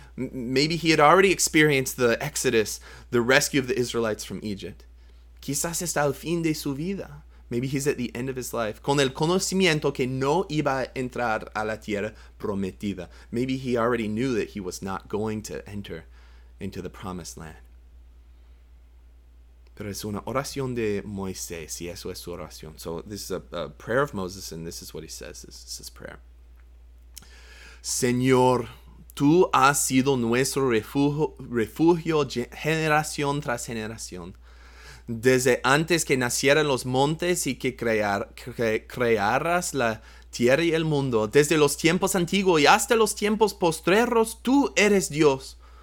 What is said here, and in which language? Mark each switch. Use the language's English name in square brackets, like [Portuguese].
[English] Maybe he had already experienced the exodus, the rescue of the Israelites from Egypt. [Spanish] Quizás está al fin de su vida. [English] Maybe he's at the end of his life, [Spanish] con el conocimiento que no iba a entrar a la tierra prometida. [English] Maybe he already knew that he was not going to enter into the promised land. [Spanish] Pero es una oración de Moisés, y eso es su oración. [English] So this is a prayer of Moses, and this is what he says. This is his prayer. [Spanish] Señor, tú has sido nuestro refugio generación tras generación. Desde antes que nacieran los montes y que crearas la tierra y el mundo, desde los tiempos antiguos y hasta los tiempos postreros, tú eres Dios.